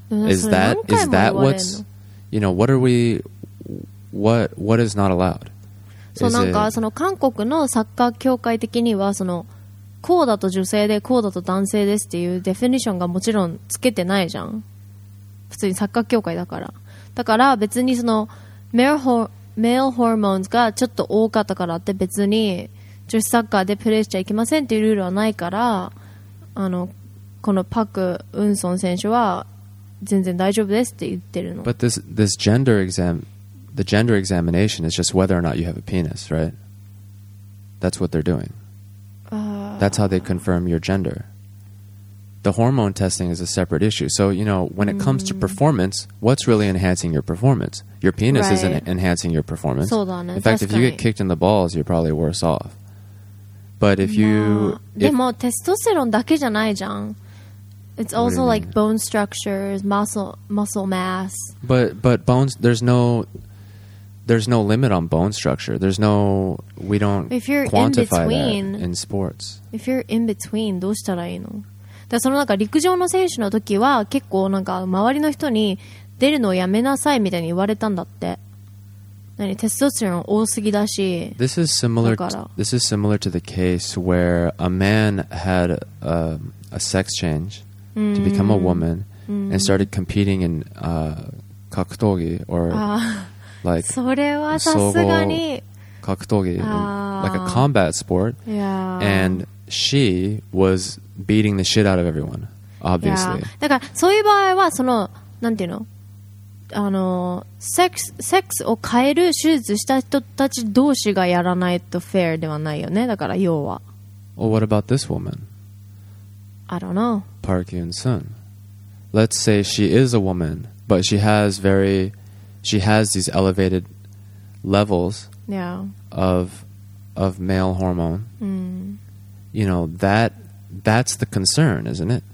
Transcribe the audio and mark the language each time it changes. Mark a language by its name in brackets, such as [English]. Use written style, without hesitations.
[English] Is that what's, you know, what is not allowed? [Japanese] そうなんかその韓国のサッカー協会的にはそのこうだと女性でこうだと男性ですっていうデフィニションがもちろんつけてないじゃん。普通にサッカー協会だから。だから別にそのメールホルモンがちょっと多かったからって別に女子サッカーでプレーしちゃいけませんっていうルールはないから、あのこのパク・ウンソン選手は全然大丈夫ですって言ってるの。 [English] But this gender exam. The gender examination is just whether or not you have a penis, right? That's what they're doing. That's how they confirm your gender. The hormone testing is a separate issue. So, you know, when it comes to performance, what's really enhancing your performance? Your penis isn't enhancing your performance. [Japanese] そうだね。 [English] In fact, if you get kicked in the balls, you're probably worse off. But if you... [Japanese] でもテストステロンだけじゃないじゃん。 [English] It's also like bone structures, muscle mass. But bones, there's no limit on bone structure. There's no... We don't quantify between, that in sports. If you're in between, [Japanese] どうしたらいいの？だからそのなんか陸上の選手の時は結構なんか周りの人に出るのをやめなさいみたいに言われたんだって。何？テストステロン多すぎだし。 [English] This is similar, this is similar to the case where a man had a sex change to become a woman and started competing in 格闘技 or... Like, [Japanese] それはさすがに [English] 格闘技 like a combat sport、 yeah. and she was beating the shit out of everyone obviously、yeah. [Japanese] だからそういう場合はそのなんていうのあのセックスを変える手術した人たち同士がやらないとフェアではないよねだから要は [English] Well, what about this woman? I don't know Park Yoon Sun Let's say she is a woman but she has veryShe has these elevated levels、 yeah. of male hormone.、 Mm. You know, that's the concern, isn't it?